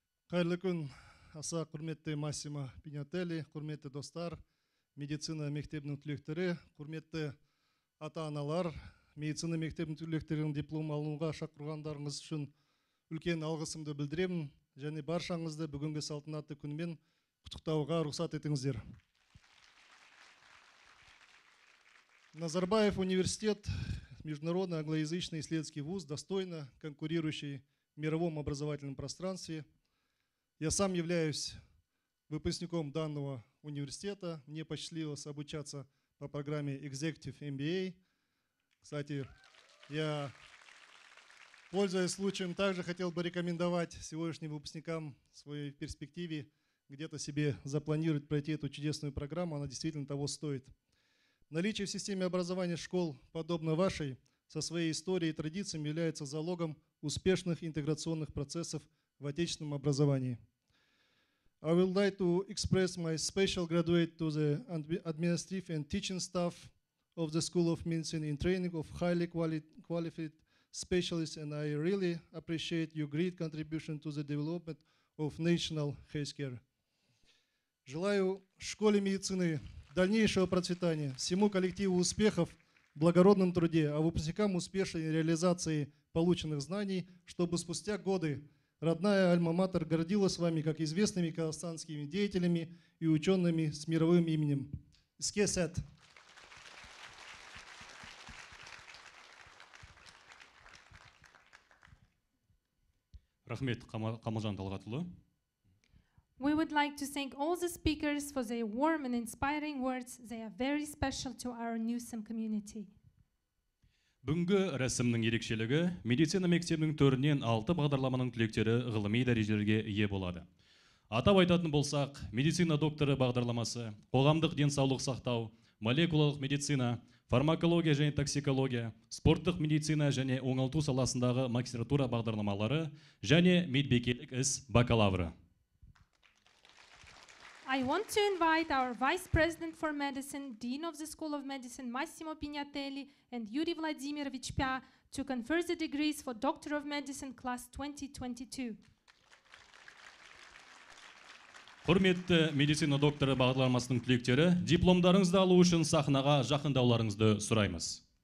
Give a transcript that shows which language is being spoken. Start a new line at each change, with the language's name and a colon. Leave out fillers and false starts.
Kazakh: Қайырлы күн, аса құрметті Массима Пинятели, құрметті достар, медицина мектебінің түлектері, құрметті ата-аналар, медицина мектебінің түлектерінің диплом алуға шақырғандарыңыз үшін үлкен алғысымды білдіремін және баршаңызды бүгінгі салтанатты күнмен құттықтауға рұқсат етіңіздер.
Russian: Назарбаев университет, международный англоязычный исследовательский вуз, достойно конкурирующий в мировом образовательном пространстве. Я сам являюсь выпускником данного университета. Мне посчастливилось обучаться по программе Executive MBA. Кстати, я, пользуясь случаем, также хотел бы рекомендовать сегодняшним выпускникам в своей перспективе где-то себе запланировать пройти эту чудесную программу. Она действительно того стоит. Наличие в системе образования школ, подобно вашей, со своей историей и традициями является залогом успешных интеграционных процессов в отечественном образовании.
English: I would like to express my special gratitude to the administrative and teaching staff of the School of Medicine in training of highly qualified specialists, and I really appreciate your great contribution to the development of national healthcare.
Russian: Желаю школе медицины дальнейшего процветания, всему коллективу успехов в благородном труде, а выпускникам успешной реализации полученных знаний, чтобы спустя годы родная Альма-Матер гордилась вами как известными казахстанскими деятелями и учеными с мировым именем.
Kazakh: Иске сет. Рахмет, Камалжан Талғатұлы.
English: We would like to thank all the speakers for their warm and inspiring words. They are very special to our Newsom community.
Kazakh: Бүгінгі рәсімнің ерекшелігі медицина мектебінің төрінен 6 бағдарламаның түлектері ғылыми дәрежелерге ие болады. Атап айтатын болсақ, медицина докторы бағдарламасы, қоғамдық денсаулық сақтау, молекулалық медицина, фармакология және токсикология, спорттық медицина және оңалту саласындағы магистратура бағдарламалары және медбикелік іс бакалавры.
English: I want to invite our Vice President for Medicine, Dean of the School of Medicine, Massimo Pignatelli, and Yuri Vladimirovich Pia to confer the degrees for Doctor of Medicine Class 2022.
Kazakh: Құрметті медицина докторы бағдарламасының түлектері, дипломдарыңызды алу үшін сахнаға жақындауларыңызды сұраймыз.